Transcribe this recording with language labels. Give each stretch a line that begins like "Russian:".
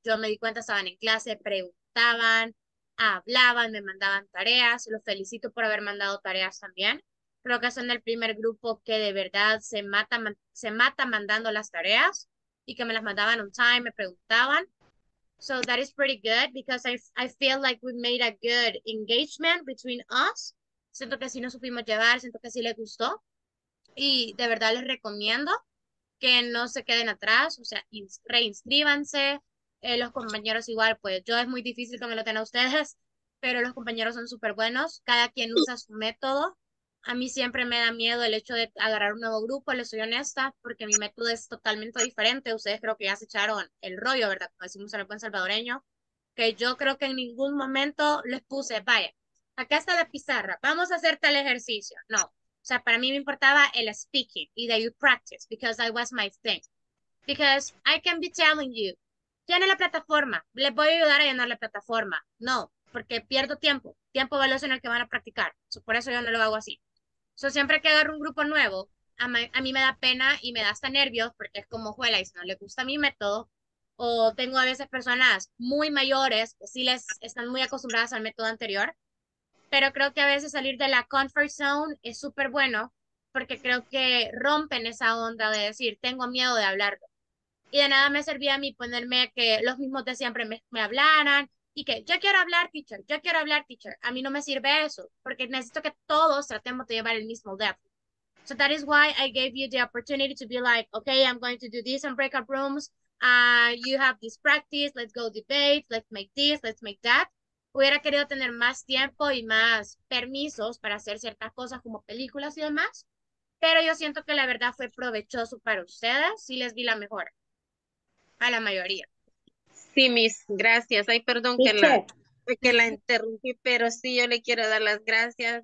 Spanish: Yo me di cuenta, estaban en clase, preguntaban, hablaban, me mandaban tareas. Los felicito por haber mandado tareas también. Creo que son el primer grupo que de verdad se mata mandando las tareas y que me las mandaban
English: on time,
Spanish: me preguntaban.
English: So that is pretty good because I feel like we made a good engagement between us.
Spanish: Siento que sí nos supimos llevar, siento que sí les gustó. Y de verdad les recomiendo que no se queden atrás, o sea, reinscríbanse. Los compañeros igual, pues yo es muy difícil que me lo tengan ustedes, pero los compañeros son súper buenos, cada quien usa su método. A mí siempre me da miedo el hecho de agarrar un nuevo grupo, les soy honesta, porque mi método es totalmente diferente. Ustedes creo que ya se echaron el rollo, ¿verdad? Como decimos en el buen salvadoreño, que yo creo que en ningún momento les puse, vaya, acá está la pizarra, vamos a hacer tal ejercicio. No, o sea, para mí me importaba el speaking y
English: the you practice, because that was my thing. Because I can be telling you,
Spanish: llene la plataforma, les voy a ayudar a llenar la plataforma. No, porque pierdo tiempo. Tiempo valioso en el que van a practicar. So, por eso yo no lo hago así. So, siempre que agarro un grupo nuevo, a mí me da pena y me da hasta nervios porque es como, juela, y si no le gusta mi método, o tengo a veces personas muy mayores que sí les están muy acostumbradas al método anterior, pero creo que a veces salir de la
English: comfort zone
Spanish: es súper bueno porque creo que rompen esa onda de decir, tengo miedo de hablarlo. Y de nada me servía a mí ponerme que los mismos de siempre me hablaran, y que yo quiero hablar, teacher, yo quiero hablar, teacher. A mí no me sirve eso, porque necesito que todos tratemos de llevar el mismo depth.
English: So that is why I gave you the opportunity to be like, okay, I'm going to do this in breakout rooms. You have this practice, let's go debate, let's make this, let's make that.
Spanish: Hubiera querido tener más tiempo y más permisos para hacer ciertas cosas como películas y demás, pero yo siento que la verdad fue provechoso para ustedes, sí les vi la mejora, a la mayoría. Sí, Miss, gracias. Ay, perdón que la interrumpí, pero sí, yo le quiero dar las gracias.